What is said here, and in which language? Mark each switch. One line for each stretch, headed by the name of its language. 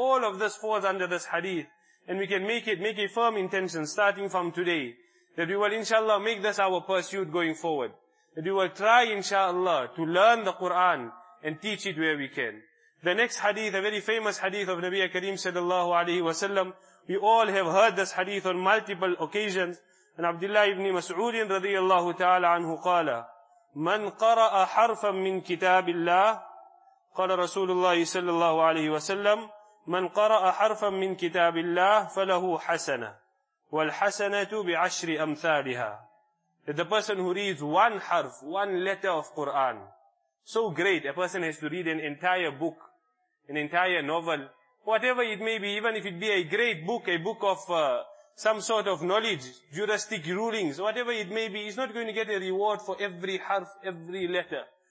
English: All of this falls under this hadith. And we can make a firm intention starting from today, that we will inshallah make this our pursuit going forward. That we will try inshallah to learn the Qur'an and teach it where we can. The next hadith, a very famous hadith of Nabi Kareem sallallahu alayhi wa sallam. We all have heard this hadith on multiple occasions.
Arabic: And Abdullah ibn Mas'ud radiyallahu ta'ala anhu qala, من قرأ حرفا من كتاب الله قال رسول الله صلى الله عليه وسلم من قرأ حرفا من كتاب الله فله حسنة والحسنة بعشر أمثالها.
English: That the person who reads one harf, one letter of Quran, so great. A person has to read an entire book, an entire novel, whatever it may be, even if it be a great book, a book of some sort of knowledge, juristic rulings, whatever it may be, he's not going to get a reward for every harf, every letter.